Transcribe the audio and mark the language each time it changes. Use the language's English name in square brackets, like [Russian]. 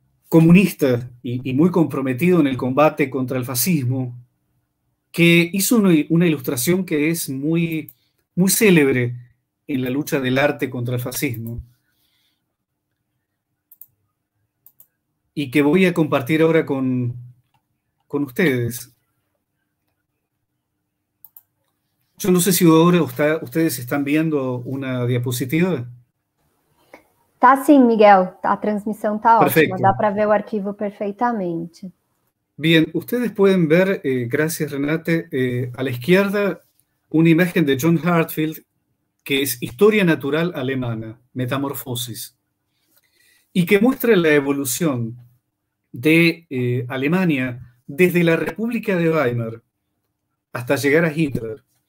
[Spanish] comunista y muy comprometido en el combate contra el fascismo, que hizo una ilustración que es muy, muy célebre en la lucha del arte contra el fascismo y que voy a compartir ahora con ustedes. Yo no sé si ahora ustedes están viendo una diapositiva. [Portuguese] Tá sim, Miguel. A transmissão está ótima. Dá para ver o arquivo perfeitamente. [Spanish] Bien, ustedes pueden ver, gracias Renate, a la izquierda una imagen de John Hartfield que es Historia Natural Alemana, Metamorfosis, y que muestra la evolución de Alemania desde la República de Weimar hasta llegar a Hitler.